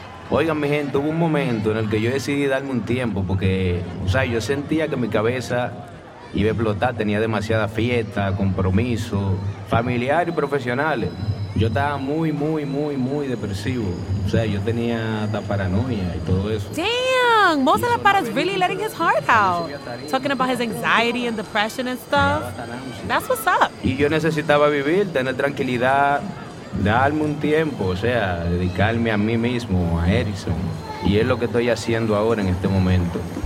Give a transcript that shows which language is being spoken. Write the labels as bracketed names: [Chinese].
[Spanish] Oigan, mi gente, hubo un momento en el que yo decidí darme un tiempo porque, o sea, yo sentía que mi cabeza iba a explotar. Tenía demasiada fiesta, compromiso, familiar y profesionales. Yo estaba muy depresivo. O sea, yo tenía hasta paranoia y todo eso. [English] Damn, Mo Salapara is really letting his heart out. Talking about his anxiety and depression and stuff. That's what's up. [Spanish] Y yo necesitaba vivir, tener tranquilidad, darme un tiempo, o sea, dedicarme a mí mismo, a Erickson. Y es lo que estoy haciendo ahora en este momento.